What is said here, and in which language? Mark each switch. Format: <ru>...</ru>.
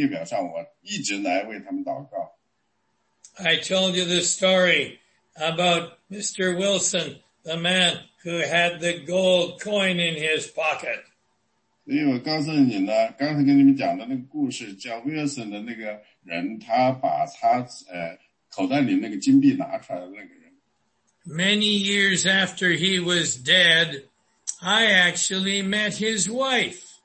<zh>那我会给你看一下我的祷告的那个列表，但是你可能会感到惊奇的是，腓立比人也在我的那个列表上，我一直来为他们祷告。</zh> <en>I told you the story about Mr. Wilson, the man who had the gold coin in his pocket.</en> <zh>所以我告诉你呢，刚才跟你们讲的那个故事，叫威尔森的那个人，他把他口袋里那个金币拿出来的那个人。</zh> <en>Many years after he was dead, I actually met his wife.</en>